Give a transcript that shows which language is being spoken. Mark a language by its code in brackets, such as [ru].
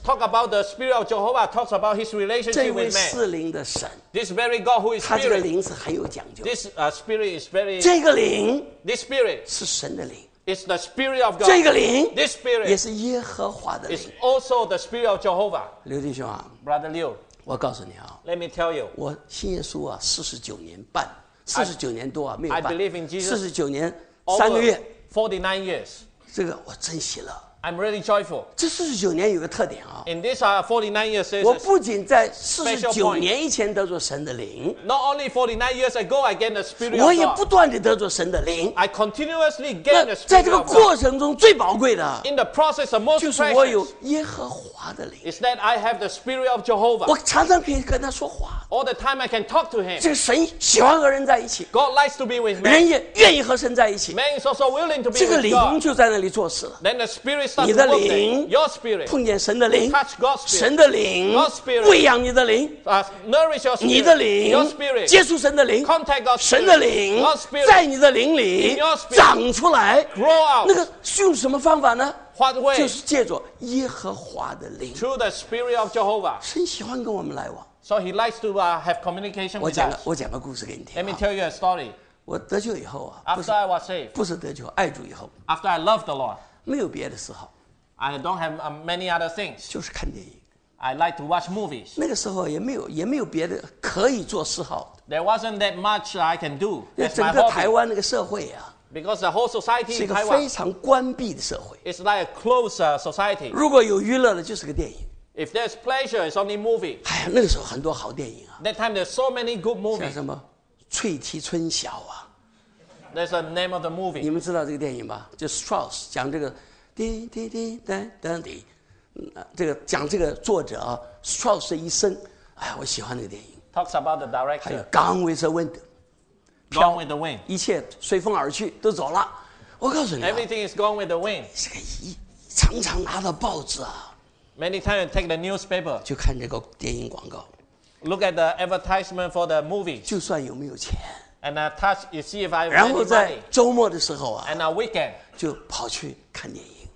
[en] talk about the Spirit of Jehovah talks about his relationship with man. [zh] 这位四灵的神 [en] This very God who is spirit, [zh] 他这个灵是很有讲究。 [en] This spirit is very. [zh] 这个灵 [en] ，this spirit [zh] 是神的灵。 [en] It's the spirit of God. [zh] 这个灵 [en] ，this spirit [zh] 也是耶和华的灵。 [en] It's also the spirit of Jehovah. [zh] 刘弟兄啊 [en] ，Brother Liu， [zh] 我告诉你啊 [en] ，Let me tell you， [zh] 我信耶稣啊，49年半，49年多啊，没有办。 [en] I believe in Jesus. [zh] 49年3个月 [en] ，49 years。 [zh] 这个我真喜乐。 [en] I'm really joyful. [zh] 这四十九年有个特点啊。 [en] In this 49 years, [zh] 我不仅在49年以前得着神的灵。 [en] Not only 49 years ago, I gained the spirit. [zh] 我也不断地得着神的灵。 [en] I continuously gained the spirit. [zh] 在这个过程中最宝贵的。 [en] In the process, the most precious. [zh] 就是我有耶和华的灵。 [en] Is that I have the spirit of Jehovah. [zh] 我常常可以跟他说话。 [en] All the time I can talk to him. [zh] 这个神喜欢和人在一起。 [en] God likes to be with man. [zh] 人也愿意和神在一起。 [en] Man is also willing to be with God. [zh] 这个灵就在那里做事了。 [en] Then the spirit [zh] 你的灵 [en] your spirit, [zh] 碰见神的灵 [en] touch God's spirit, [zh] 神的灵 [en] God's spirit, [zh] 喂养你的灵 [en] nourish your spirit, [zh] 你的灵 [en] your spirit, [zh] 接触神的灵 [en] contact God's spirit, [zh] 神的灵 [en] God's spirit, [zh] 在你的灵里 [en] in your spirit, [zh] 长出来 [en] grow out, [zh] 那个用什么方法呢 [en] What way? [zh] 就是借着耶和华的灵 [en] through the spirit of Jehovah, [zh] 神喜欢跟我们来往 [en] so he likes to have communication with us. [zh] 我讲个故事给你听 [en] let me tell you a story. [zh] 我得救以后啊 [en] after I was saved, [zh] 不是得救爱主以后 [en] after I loved the Lord, [zh] 没有别的嗜好 [en] I don't have many other things [zh] 就是看电影 [en] I like to watch movies [zh] 那个时候也没有别的可以做嗜好 [en] There wasn't that much I can do [zh] 整个台湾那个社会啊 [en] Because the whole society [zh] 是一个非常关闭的社会 [en] It's like a closed society [zh] 如果有娱乐的就是个电影 [en] If there's pleasure it's only movie [zh] 哎呀那个时候很多好电影啊 [en] That time there's so many good movies [zh] 像什么翠堤春晓啊 [en] That's the name of the movie. [zh] 你们知道这个电影吧？就 Strauss 讲这个，滴滴滴哒哒滴，这个讲这个作者、啊、Strauss 的一生。哎，我喜欢那个电影。 [en] Talks about the director. 还有 Gone with the Wind. Gone with the Wind. [zh] 一切随风而去，都走了。我告诉你、啊、 [en] ，Everything is gone with the wind. [zh] 是个常常拿到报纸啊。 [en] Many times take the newspaper. [zh] 就看这个电影广告。 [en] Look at the advertisement for the movie. [zh] 就算有没有钱。 [en] And I touch, you see if I. [zh] 然后在周末的时候啊 [en] ，and a weekend [zh] 就跑去看电影。